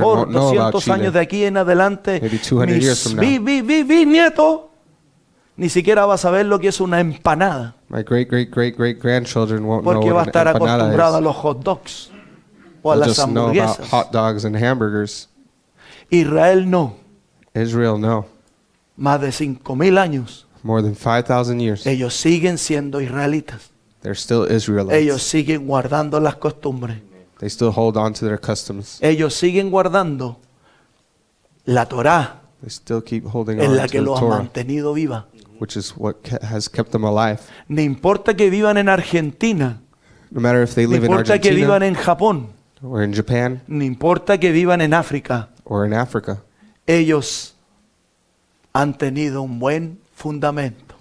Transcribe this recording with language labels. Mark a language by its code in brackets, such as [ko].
[en] won't know about Chile. [es] A lo mejor 200 años de aquí en adelante, [en] maybe 200 years from now, [es] mi bisnieto ni siquiera va a saber lo que es una empanada. [en] My great-great-great-great-grandchildren won't know what an empanada is. [es] Porque va a estar acostumbrado a los hot dogs o a las hamburguesas. [en] They'll just know about hot dogs and hamburgers. [es] Israel no. [en] Israel no. [es] Más de 5,000 años. [en] More than 5,000 years. [es] Ellos siguen siendo israelitas. [en] They're still Israelites. [es] Ellos siguen guardando las costumbres. [en] They still hold on to their customs. [es] Ellos siguen guardando la Torá. [en] They still keep holding on to the Torah. [es] Es la que los ha mantenido viva. [en] Which is what has kept them alive. [es] No importa que vivan en Argentina. [en] No matter if they live in Argentina. [es] No importa que vivan en Japón. [en] Or in Japan. [es] No importa que vivan en África. [en] Or in Africa. [es] Ellos han tenido un buen fundamento.